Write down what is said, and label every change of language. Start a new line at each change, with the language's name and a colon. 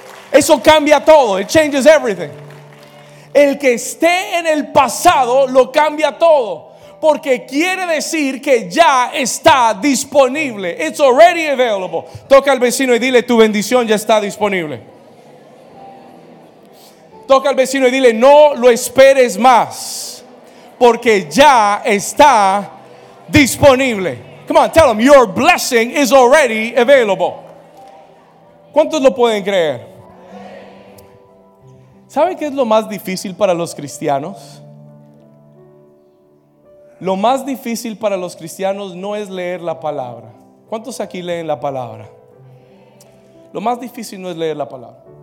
Spanish: Eso cambia todo.
English: It changes everything.
Spanish: El que esté en el pasado lo cambia todo, porque quiere decir que ya está disponible.
English: It's already available.
Spanish: Toca al vecino y dile: tu bendición ya está disponible. Toca al vecino y dile: no lo esperes más, porque ya está disponible.
English: Come on, tell them, your blessing is already available.
Spanish: ¿Cuántos lo pueden creer? ¿Sabe qué es lo más difícil para los cristianos? Lo más difícil para los cristianos no es leer la palabra. ¿Cuántos aquí leen la palabra? Lo más difícil no es leer la palabra.